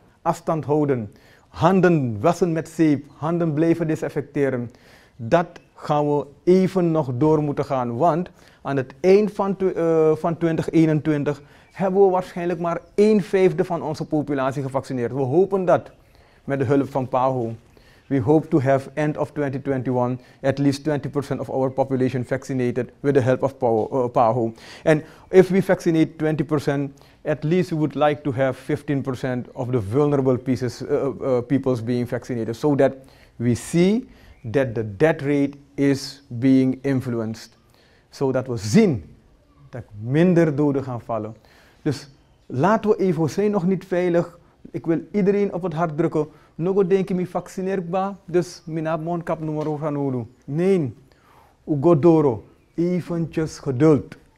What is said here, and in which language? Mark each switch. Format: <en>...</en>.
<nl>Afstand houden, handen wassen met zeep, handen blijven desinfecteren. Dat gaan we even nog door moeten gaan, want aan het eind van 2021 hebben we waarschijnlijk maar 1/5 van onze populatie gevaccineerd. We hopen dat met de hulp van PAHO.</nl> <en>We hope to have end of 2021 at least 20% of our population vaccinated with the help of PAHO. And if we vaccinate 20%, at least we would like to have 15% of the vulnerable pieces, peoples being vaccinated, so that we see that the death rate is being influenced. So that we</en> <nl>zien dat minder doden gaan vallen. Dus laten we even, we zijn nog niet veilig. Ik wil iedereen op het hart drukken. Nog een denk je me vaccineerbaar, dus mijn mondkap noem maar gaan doen. Nee, Ugodoro, eventjes geduld.</nl>